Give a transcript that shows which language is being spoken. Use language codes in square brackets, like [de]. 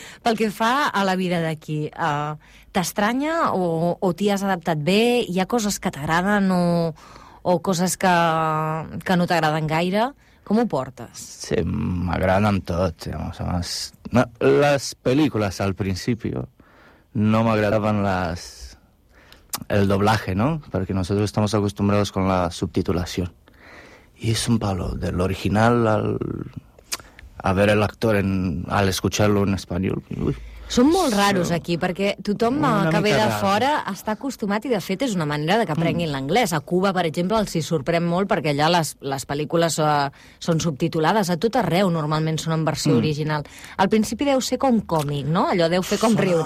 [ca] Pel que fa a la vida d'aquí, t'estranya o t'hi has adaptat bé? Hi ha coses que t'agraden o coses que no t'agraden gaire? Com ho portes? Sí, m'agraden tot. Llavors, les pel·lícules, al principi, no m'agradaven les... [es] El doblaje, ¿no? Porque nosotros estamos acostumbrados con la subtitulación. Y es un palo, del original al ver el actor, al escucharlo en español. Uy. [ca] Són molt raros aquí, perquè tothom que ve de fora està acostumat i, de fet, és una manera de que aprenguin l'anglès. A Cuba, per exemple, els hi sorprèn molt perquè allà les pel·lícules són subtitulades. A tot arreu, normalment, són en versió original. Al principi deu ser com còmic, no? Allò deu fer com riure.